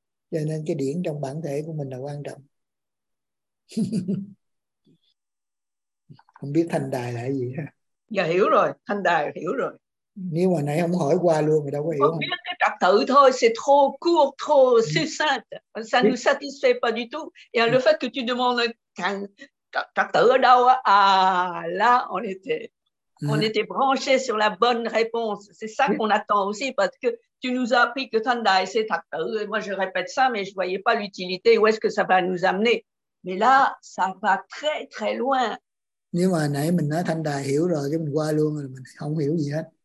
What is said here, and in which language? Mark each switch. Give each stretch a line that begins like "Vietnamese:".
Vietnamese: Cho nên cái điện trong bản thể của mình là quan trọng. Không biết Thanh Đài là cái gì ha. Dạ hiểu rồi, Thanh Đài hiểu rồi. Nếu mà nãy không hỏi qua luôn thì đâu có hiểu. Biết cái trật tự thôi,
French: c'est trop court, trop succinct. Ça ne nous satisfait pas du tout. Et le fait que tu demandes
Vietnamese: trật tự ở đâu,
French: là on était branché sur la bonne réponse. C'est ça qu'on attend aussi, parce que tu nous as appris que Tandai, c'est trật tự. Moi, je répète ça, mais je ne voyais pas l'utilité, où est-ce que ça va nous amener. Mais là, ça va très, très loin.
Vietnamese: Nếu mà nãy mình nói Tandai hiểu rồi, chứ mình qua luôn rồi, mình không hiểu gì hết.